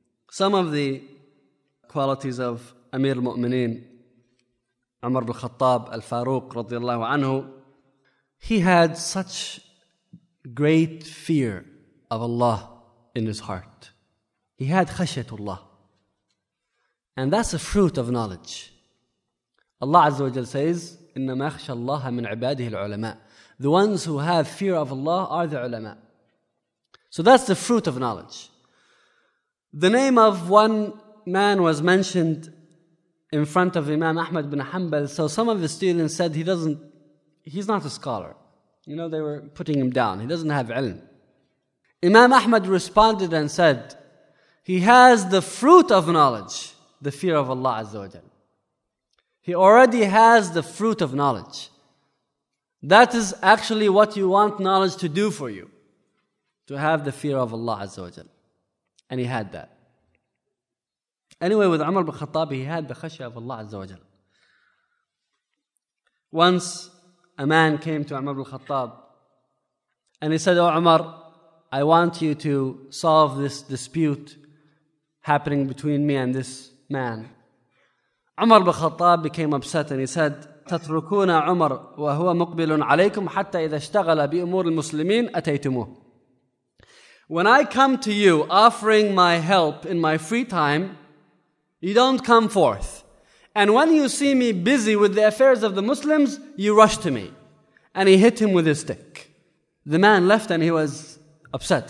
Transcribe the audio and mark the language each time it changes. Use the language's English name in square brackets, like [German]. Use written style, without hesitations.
[English] Some of the qualities of Amir al-Mu'mineen, Umar bin Khattab al-Faruq radiyallahu anhu, he had such great fear of Allah in his heart. He had khashyatullah. And that's a fruit of knowledge. Allah Azza wa Jal says, [Arabic] إِنَّمَا أَخْشَى اللَّهَ مِنْ عِبَادِهِ الْعُلَمَاءِ. [English] The ones who have fear of Allah are the ulama. So that's the fruit of knowledge. The name of one man was mentioned in front of Imam Ahmad bin Hanbal. So some of the students said he's not a scholar. You know, they were putting him down. He doesn't have ilm. Imam Ahmad responded and said, he has the fruit of knowledge, the fear of Allah Azza wa Jal. He already has the fruit of knowledge. That is actually what you want knowledge to do for you, to have the fear of Allah Azza wa Jal. And he had that. Anyway, with Umar bin Khattab, he had the khashya of Allah Azza wa Jal. Once a man came to Umar bin Khattab and he said, oh Umar, I want you to solve this dispute happening between me and this man. Umar bin Khattab became upset and he said, [Arabic] تتركون عمر وهو مقبل عليكم حتى إذا اشتغل بأمور المسلمين أتيتموه. [English] When I come to you offering my help in my free time, you don't come forth. And when you see me busy with the affairs of the Muslims, you rush to me. And he hit him with his stick. The man left and he was upset.